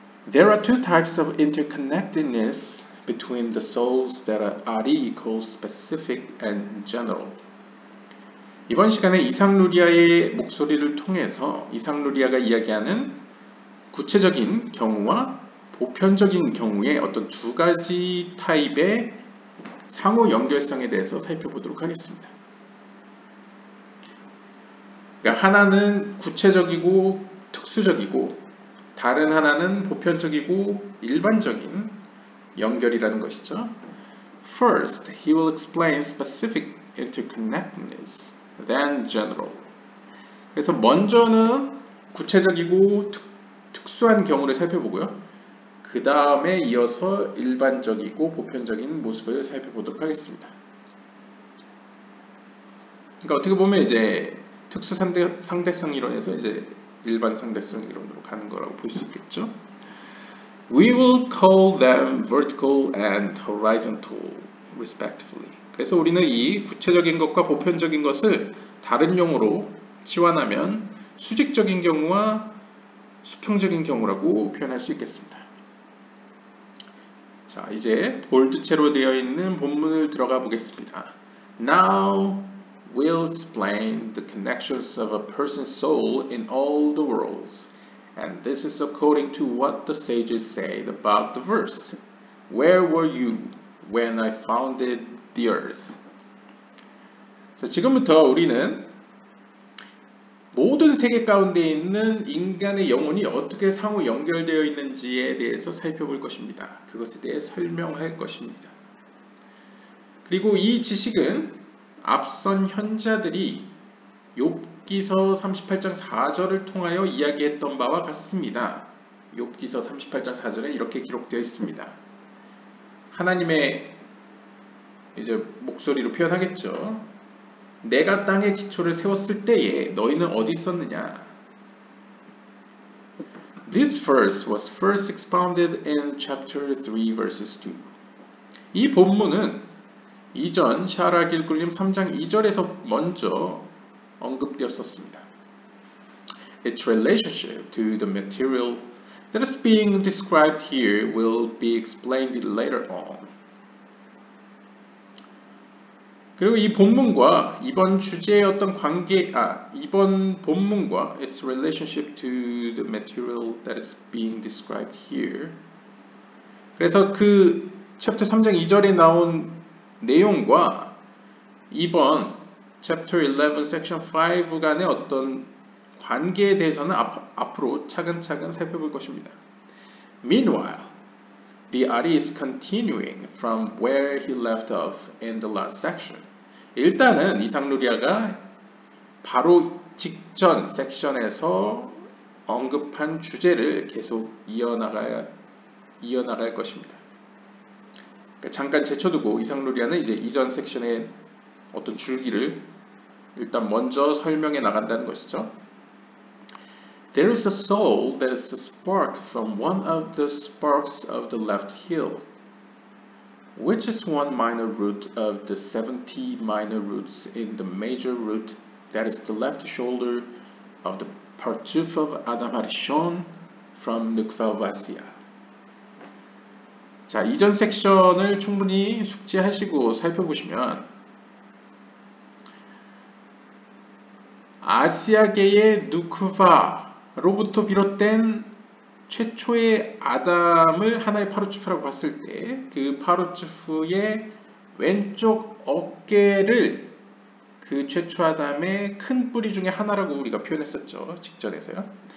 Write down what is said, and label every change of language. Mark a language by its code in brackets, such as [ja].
[en] There are two types of interconnectedness between the souls that are equal specific and general. [ko] 이번 시간에 이상루리아의 목소리를 통해서 이상루리아가 이야기하는 구체적인 경우와 보편적인 경우의 어떤 두 가지 타입의 상호 연결성에 대해서 살펴보도록 하겠습니다. 그러니까 하나는 구체적이고 특수적이고 다른 하나는 보편적이고 일반적인 연결이라는 것이죠. [en] First, he will explain specific interconnectedness. Then general. [ko] 그래서 먼저는 구체적이고 특수한 경우를 살펴보고요. 그 다음에 이어서 일반적이고 보편적인 모습을 살펴보도록 하겠습니다. 그러니까 어떻게 보면 이제 특수 상대성 이론에서 이제 일반 상대성 이론으로 가는 거라고 볼 수 있겠죠. [en] We will call them vertical and horizontal, respectively. [ko] 그래서 우리는 이 구체적인 것과 보편적인 것을 다른 용어로 치환하면 수직적인 경우와 수평적인 경우라고 표현할 수 있겠습니다. 자, 이제 볼드체로 되어 있는 본문을 들어가 보겠습니다. [en] Now we'll explain the connections of a person's soul in all the worlds. And this is according to what the sages said about the verse. Where were you when I founded the earth? [ko] 자, 지금부터 우리는 모든 세계 가운데 있는 인간의 영혼이 어떻게 상호 연결되어 있는지에 대해서 살펴볼 것입니다. 그것에 대해 설명할 것입니다. 그리고 이 지식은 앞선 현자들이 욥기서 38장 4절을 통하여 이야기했던 바와 같습니다. 욥기서 38장 4절에 이렇게 기록되어 있습니다. 하나님의 이제 목소리로 표현하겠죠. 내가 땅의 기초를 세웠을 때에 너희는 어디 있었느냐? [en] This verse was first expounded in chapter 3 verses 2. [ko] 이 본문은 이전 샤라 길굴림 3장 2절에서 먼저 언급되었었습니다. [en] Its relationship to the material that is being described here will be explained later on. [ko] 그리고 이 본문과 이번 주제였던 관계, 이번 본문과 [en] its relationship to the material that is being described here. [ko] 그래서 그 chapter 3장 2절에 나온 내용과 이번 chapter 11 section 5 간의 어떤 관계에 대해서는 앞으로 차근차근 살펴볼 것입니다. [en] Meanwhile, the Ari is continuing from where he left off in the last section. [ko] 일단은 이상루리아가 바로 직전 섹션에서 언급한 주제를 계속 이어나갈 것입니다. 그러니까 잠깐 제쳐두고 이상루리아는 이제 이전 섹션의 어떤 줄기를 일단 먼저 설명해 나간다는 것이죠. [en] There is a soul that is a spark from one of the sparks of the left heel. Which is one minor root of the 70 minor roots in the major root that is the left shoulder of the parchuf of Adam Harishon from Nukfal Vasya. [ko] 자, 이전 섹션을 충분히 숙지하시고 살펴보시면 아시아계의 누크바로부터 비롯된 최초의 아담을 하나의 파루츠프라고 봤을 때 그 파루츠프의 왼쪽 어깨를 그 최초 아담의 큰 뿌리 중에 하나라고 우리가 표현했었죠. 직전에서요.